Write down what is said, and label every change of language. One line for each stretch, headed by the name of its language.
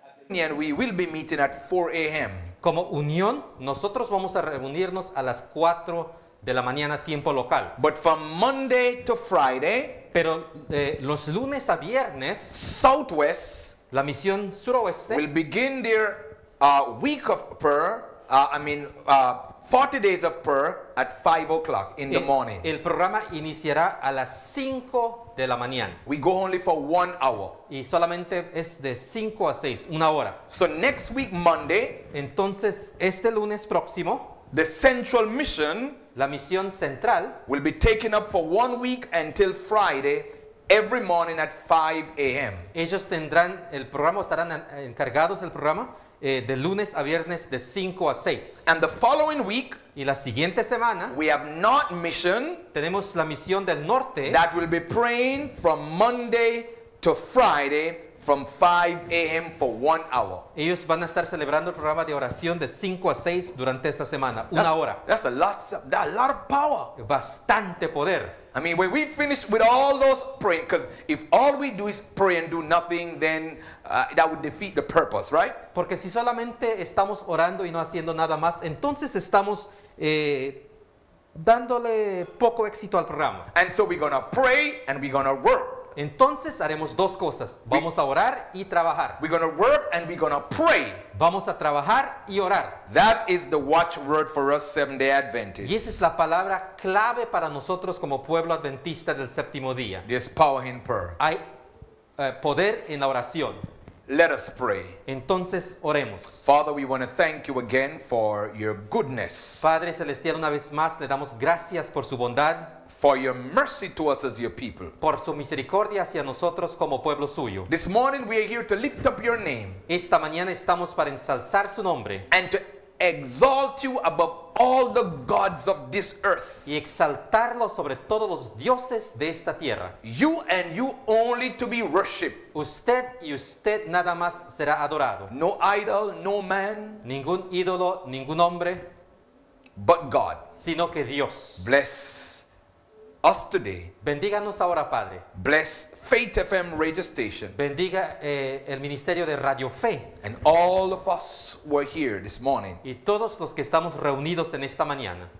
English: And we will be meeting at 4 a.m.
Spanish: Como unión, nosotros vamos a reunirnos a las 4 de la mañana, tiempo local.
English: But from Monday to Friday,
Spanish: pero los lunes a viernes,
English: Southwest,
Spanish: la misión suroeste,
English: will begin their week of prayer, 40 days of prayer at 5 o'clock in the morning.
Spanish: El programa iniciará a las 5 de la mañana.
English: We go only for 1 hour.
Spanish: Y solamente es de 5 a 6, una hora.
English: So next week, Monday.
Spanish: Entonces, este lunes próximo.
English: The central mission.
Spanish: La misión central.
English: Will be taken up for 1 week until Friday, every morning at 5 a.m.
Spanish: Ellos tendrán el programa, estarán encargados del programa. De lunes a viernes de 5 a 6.
English: And the following week,
Spanish: y la siguiente semana,
English: we have North Mission,
Spanish: tenemos la misión del norte,
English: that will be praying from Monday to Friday from 5 a.m. for 1 hour.
Spanish: Ellos van a estar celebrando el programa de oración de 5 a 6 durante esa semana, hora.
English: That's a lot of power.
Spanish: Bastante poder.
English: I mean, when we finish with all those praying, because if all we do is pray and do nothing, then that would defeat the purpose, right?
Spanish: Porque si solamente estamos orando y no haciendo nada más, entonces estamos dándole poco éxito al programa.
English: And so we're going to pray and we're going to work.
Spanish: Entonces haremos dos cosas. Vamos a orar y trabajar.
English: We're going to work and we're going to pray.
Spanish: Vamos a trabajar y orar.
English: That is the watchword for us Seventh-day Adventists.
Spanish: Y esa es la palabra clave para nosotros como pueblo adventista del séptimo día.
English: There's power in prayer.
Spanish: Hay poder en la oración.
English: Let us pray.
Spanish: Entonces, oremos.
English: Father, we want to thank you again for your goodness.
Spanish: Padre celestial, una vez más le damos gracias por su bondad.
English: For your mercy to us as your people.
Spanish: Por su misericordia hacia nosotros como pueblo suyo.
English: This morning we are here to lift up your name.
Spanish: Esta mañana estamos para ensalzar su nombre.
English: And to exalt you above all the gods of this earth.
Spanish: Y exaltarlo sobre todos los dioses de esta tierra.
English: You and you only to be worshipped.
Spanish: Usted y usted nada más será adorado.
English: No idol, no man.
Spanish: Ningún ídolo, ningún hombre.
English: But God.
Spanish: Sino que Dios.
English: Bless us today.
Spanish: Bendíganos ahora, Padre.
English: Bless Faith FM radio station.
Spanish: Bendiga el ministerio de Radio Fe.
English: And all of us were here this morning.
Spanish: Y todos los que estamos reunidos en esta mañana.